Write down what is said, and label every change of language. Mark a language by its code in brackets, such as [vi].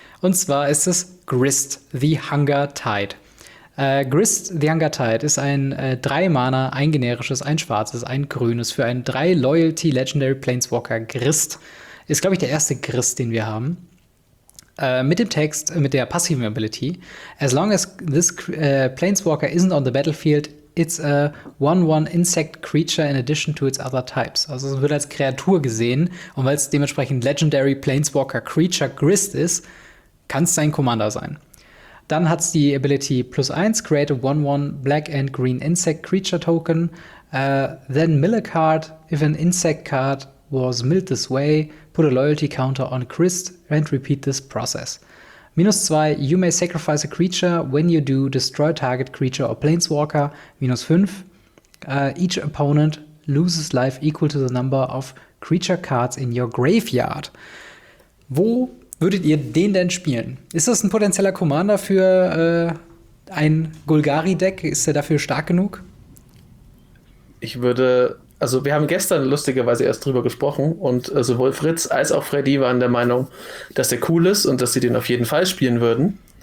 [de] Und zwar ist es Grist the Hunger Tide. Grist the Hunger Tide ist ein 3-Mana, ein generisches, ein schwarzes, ein grünes für einen 3-Loyalty-Legendary-Planeswalker Grist. Ist, glaube ich, der erste Grist, den wir haben. Mit dem Text, mit der passiven Ability. [en] As long as this Planeswalker isn't on the battlefield, it's a 1-1 Insect Creature in addition to its other types. [de] Also es wird als Kreatur gesehen. Und weil es dementsprechend Legendary-Planeswalker-Creature Grist ist, kann es sein Commander sein. Dann hat es die Ability [en] plus 1, create a 1-1 black and green insect creature token. Then mill a card. If an insect card was milled this way, put a loyalty counter on Grist and repeat this process. Minus 2, you may sacrifice a creature. When you do, destroy target creature or planeswalker. Minus 5, each opponent loses life equal to the number of creature cards in your graveyard. [de] Wo würdet ihr den denn spielen? Ist das ein potenzieller Commander für ein Golgari-Deck? Ist er dafür stark genug? Ich würde, also wir haben gestern lustigerweise erst drüber gesprochen und sowohl Fritz als auch Freddy waren der Meinung, dass der cool ist und dass sie den auf jeden Fall spielen würden.